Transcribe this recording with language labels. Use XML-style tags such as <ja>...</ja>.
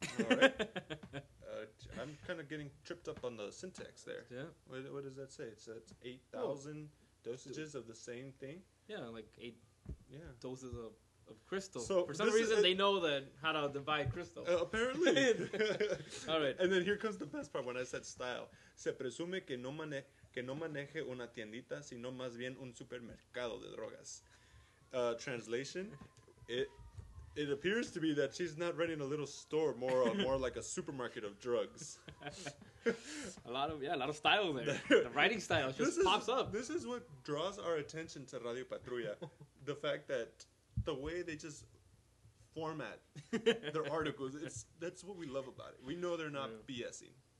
<en>All right. I'm kind of getting tripped up on the syntax there. Yeah. What does that say? It says 8,000 dosages of the same thing? Yeah, like 8 doses of crystal. So for some reason, they know that how to divide crystal. Apparently. All right. And then here comes the best part when I said style.</en> <es>Se presume que no maneje una tiendita, sino más bien un supermercado de drogas.</es> <en>Translation, It appears to be that she's not running a little store, more like a supermarket of drugs. a lot of style there. The writing style just pops up. This is what draws our attention to Radio Patrulla. The fact that the way they just format their articles, that's what we love about it. We know they're not BSing.</en>